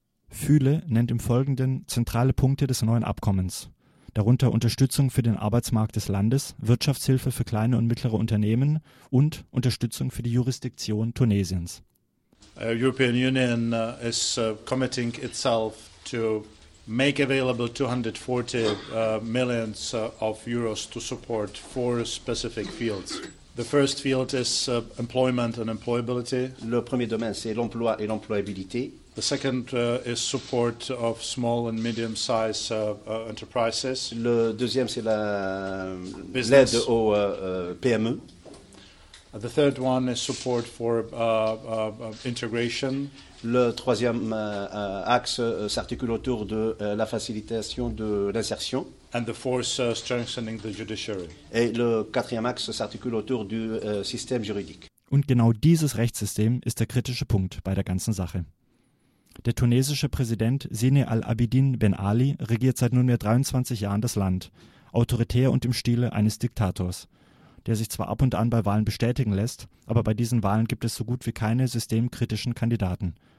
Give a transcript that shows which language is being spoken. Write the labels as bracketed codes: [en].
[de] Füle nennt im Folgenden zentrale Punkte des neuen Abkommens, darunter Unterstützung für den Arbeitsmarkt des Landes, Wirtschaftshilfe für kleine und mittlere Unternehmen und Unterstützung für die Jurisdiktion Tunesiens. [en] The European Union is committing itself to make available 240 million of euros to support four specific fields. The first field is employment and employability. [fr] Le premier domaine, c'est l'emploi et l'employabilité. [en] The second is support of small and medium-sized enterprises. [fr] Le deuxième, c'est l'aide aux PME. [en] The third one is support for integration. [fr] Le troisième axe s'articule autour de la facilitation de l'insertion. [en] And the fourth, strengthening the judiciary. [fr] Et le quatrième axe s'articule autour du système juridique. [de] Und genau dieses Rechtssystem ist der kritische Punkt bei der ganzen Sache. Der tunesische Präsident Zine al-Abidine Ben Ali regiert seit nunmehr 23 Jahren das Land, autoritär und im Stile eines Diktators, der sich zwar ab und an bei Wahlen bestätigen lässt, aber bei diesen Wahlen gibt es so gut wie keine systemkritischen Kandidaten.